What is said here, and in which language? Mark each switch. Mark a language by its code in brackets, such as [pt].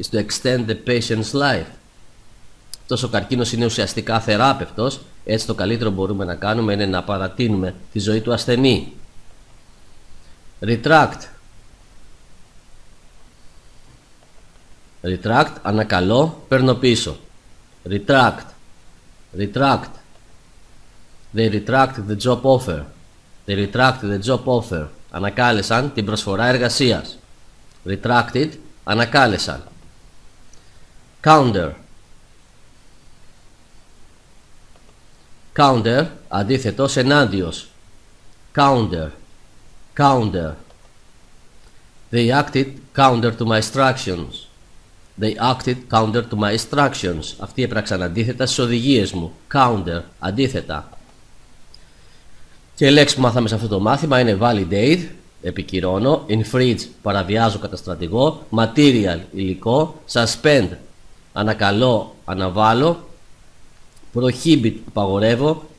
[el] Αυτός ο καρκίνος είναι ουσιαστικά θεράπευτος, έτσι το καλύτερο μπορούμε να κάνουμε είναι να παρατείνουμε τη ζωή του ασθενή. [en] Retract. [el] Retract, ανακαλώ, παίρνω πίσω. [en] Retract. Retract. They retract the job offer. They retract the job offer. [el] Ανακάλεσαν την προσφορά εργασίας. Retracted, ανακάλεσαν. Counter. Counter, αντίθετος, ενάντιος. [en] Counter. Counter. They acted counter to my instructions. They acted counter to my instructions. [el] Αυτοί έπραξαν αντίθετα στις οδηγίες μου. Counter, αντίθετα. Και η λέξη που μάθαμε σε αυτό το μάθημα είναι validate, επικυρώνω. Infringe, παραβιάζω κατά στρατηγό. Material, υλικό. Suspend, ανακαλώ, αναβάλω. Prohibit, απαγορεύω.